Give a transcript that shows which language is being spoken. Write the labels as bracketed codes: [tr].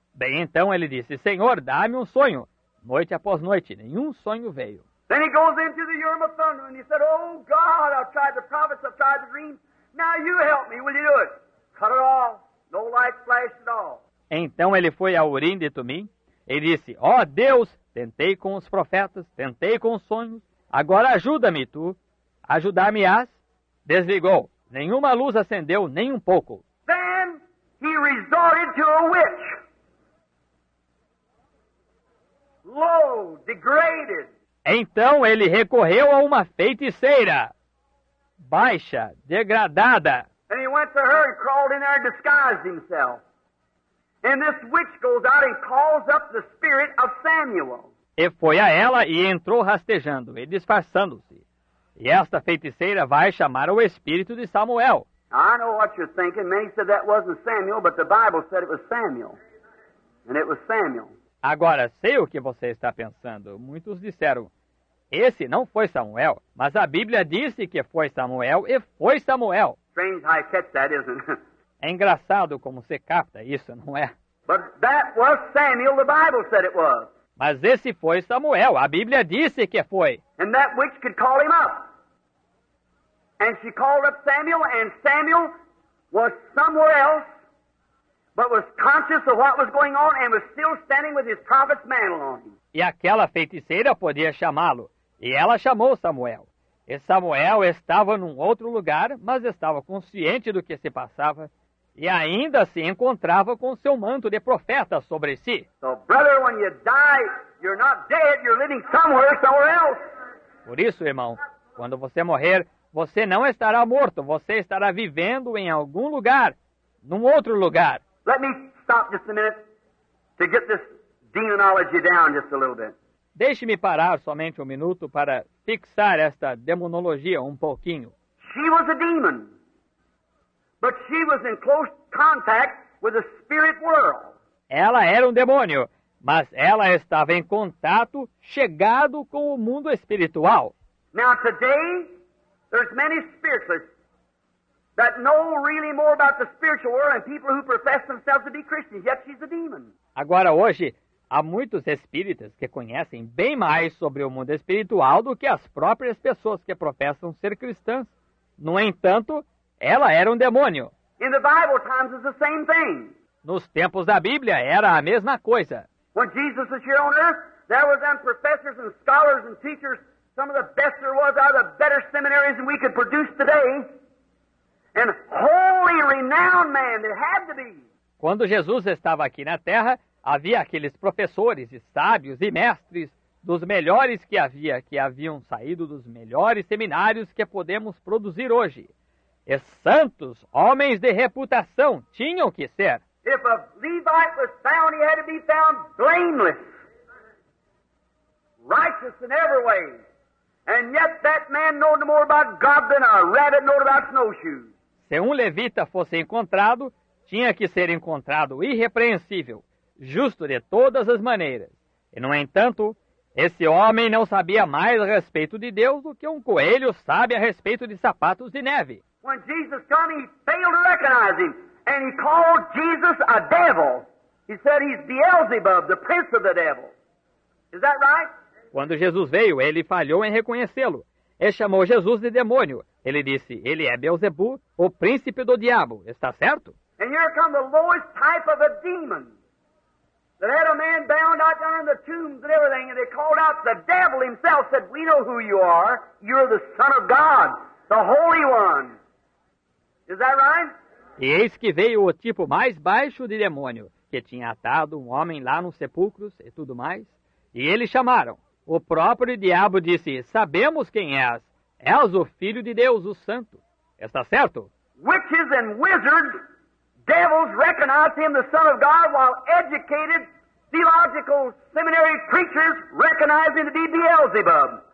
[pt] Bem, então ele disse, Senhor, dá-me um sonho. Noite após noite, nenhum sonho veio. [en] Then he goes into the Urim and Thummim and he said, oh God, I've tried the prophets, I've tried the dreams. Now you help me, will you do it? Cut it off. No light flashed at all. [pt] Então ele foi a Urim de Tumim e disse, ó oh, Deus, tentei com os profetas, tentei com os sonhos, agora ajuda-me tu, ajudar-me-ás. Desligou, nenhuma luz acendeu, nem um pouco. [en] Then he resorted to a witch. Low, degraded. [pt] Então ele recorreu a uma feiticeira, baixa, degradada. [en] And he went to her and crawled in there and disguised himself. And this witch goes out and calls up the spirit of Samuel. [pt] E foi a ela e entrou rastejando e disfarçando-se. E esta feiticeira vai chamar o espírito de Samuel. [en] I know what you're thinking. Many said that wasn't Samuel, but the Bible said it was Samuel. And it was Samuel. [pt] Agora, sei o que você está pensando. Muitos disseram, esse não foi Samuel. Mas a Bíblia disse que foi Samuel e foi Samuel. [en] Strange how I catch that, isn't it? [pt] É engraçado como você capta isso, não é? [en] But that was Samuel, the Bible said it was. [pt] Mas esse foi Samuel, a Bíblia disse que foi. [en] And that witch could call him up. And she called up Samuel, and Samuel was somewhere else, but was conscious of what was going on, and was still standing with his prophet's mantle on him. [pt] E aquela feiticeira podia chamá-lo, e ela chamou Samuel. E Samuel estava num outro lugar, mas estava consciente do que se passava e ainda se encontrava com seu manto de profeta sobre si. [en] So, brother, when you die, you're not dead, you're living somewhere else. [pt] Por isso, irmão, quando você morrer, você não estará morto, você estará vivendo em algum lugar, num outro lugar. [en] Let me stop just a minute to get this demonology down just a little bit. [pt] Deixe-me parar somente um minuto para fixar esta demonologia um pouquinho. [en] She was a demon, but she was in close contact with the spirit world. [pt] Ela era um demônio, mas ela estava em contato chegado com o mundo espiritual. [en] Now today, there's many spiritualists that know really more about the spiritual world than people who profess themselves to be Christians, yet she's a demon. [pt] Agora hoje, há muitos espíritas que conhecem bem mais sobre o mundo espiritual do que as próprias pessoas que professam ser cristãs. No entanto, ela era um demônio. [en] In the Bible times it's the same thing. [pt] Nos tempos da Bíblia era a mesma coisa. [en] When Jesus was here on earth, there was them professors and scholars and teachers, some of the best there was out of the better seminaries than we could produce today. And holy renowned man, there had to be. [pt] Quando Jesus estava aqui na terra, havia aqueles professores e sábios e mestres dos melhores que havia, que haviam saído dos melhores seminários que podemos produzir hoje. E santos, homens de reputação, tinham que ser. [en] If a Levite was found, he had to be found blameless, righteous in every way. And yet that man knowed no more about God than a rabbit knowed about snowshoes. [pt] Se um levita fosse encontrado, tinha que ser encontrado irrepreensível, justo de todas as maneiras. E, no entanto, esse homem não sabia mais a respeito de Deus do que um coelho sabe a respeito de sapatos de neve. [en] When Jesus came, he failed to recognize him, and he called Jesus a devil. He said he's Beelzebub, the prince of the devil. Is that right? [pt] Quando Jesus veio, ele falhou em reconhecê-lo. E chamou Jesus de demônio. Ele disse, ele é Beelzebub, o príncipe do diabo. Está certo? [en] And here come the lowest type of a demon. That had a man bound out down in the tombs and everything, and they called out the devil himself, said, we know who you are. You're the Son of God, the Holy One. Is that right? [pt] E eis que veio o tipo mais baixo de demônio, que tinha atado um homem lá nos sepulcros e tudo mais. E eles chamaram. O próprio diabo disse, sabemos quem és. És o Filho de Deus, o Santo. Está certo? [en] Witches and wizards, devils recognize him the Son of God, while educated theological seminary preachers recognize him to be Beelzebub.